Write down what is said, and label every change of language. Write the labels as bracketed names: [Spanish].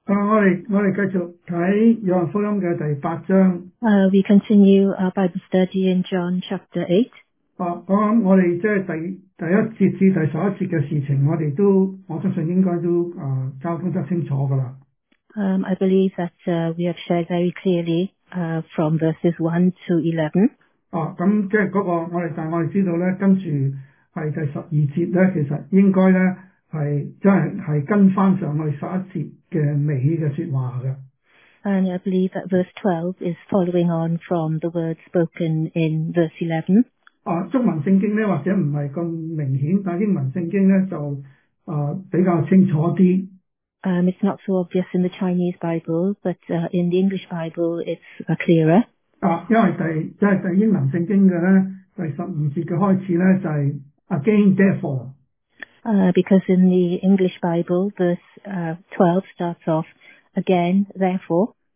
[Cantonese] 我哋继续睇约翰福音嘅第八章。 [English] We continue our Bible study in John chapter 8. [Cantonese] 我哋即系第一节至第十一节嘅事情，我相信应该都交通得清楚噶啦。 [English] I believe that we have shared very clearly from verses 1 to 11. [Cantonese] 咁即系嗰个我哋，但系我哋知道咧，跟住系第十二节咧，其实应该咧系跟翻上去十一节嘅尾嘅说话嘅。 [English] And I believe that verse 12 is following on from the words spoken in verse 11. [Cantonese] 中文圣经咧或者唔系咁明显，但英文圣经咧就比较清楚啲。 [English] It's not so obvious in the Chinese Bible, but in the English Bible, it's clearer. [Cantonese] 因为第英文圣经嘅咧，第十五节嘅开始咧就系 [English] again therefore。 Because in the English Bible, verse 12 starts off again, therefore.